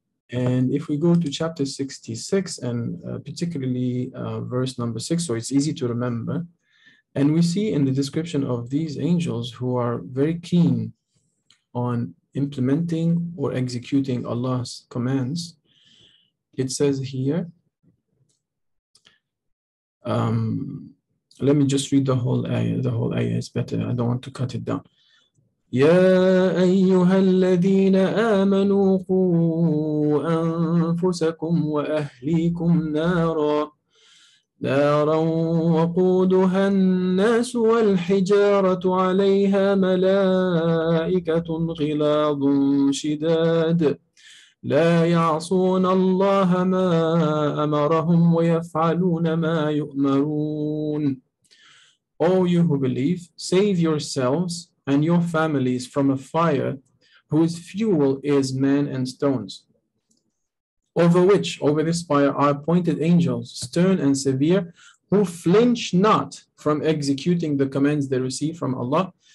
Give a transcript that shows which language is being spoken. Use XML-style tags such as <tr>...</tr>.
<en>And if we go to chapter 66, and particularly verse number 6, so it's easy to remember, and we see in the description of these angels who are very keen on implementing or executing Allah's commands, it says here, let me just read the whole ayah. The whole ayah is better. I don't want to cut it down.</en> <ar>Ya ayyuha alladhina amanu qu anfusakum wa ahlikum نارا وقودها الناس والحجارة عليها ملائكة غلاظ شداد لا يعصون الله ما أمرهم ويفعلون ما يؤمرون.</ar> <en>O you who believe, save yourselves and your families from a fire whose fuel is men and stones, over which, over this fire, are appointed angels, stern and severe, who flinch not from executing the commands they receive from Allah,</en>